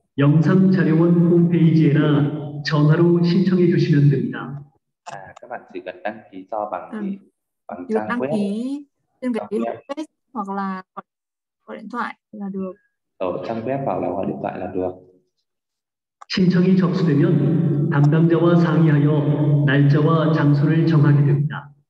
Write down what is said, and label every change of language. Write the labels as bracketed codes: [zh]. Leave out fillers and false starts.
[ko] 영상 자료원 홈페이지에나 전화로 신청해 주시면 됩니다. [vi] À, các bạn chỉ cần đăng ký cho bằng gì? Bằng trang web. Đăng ký trên cái web hoặc là gọi điện thoại là được. Ở trang web hoặc là gọi điện thoại là được. [ko] 신청이 접수되면 담당자와 상의하여 날짜와 장소를 정하게 됩니다.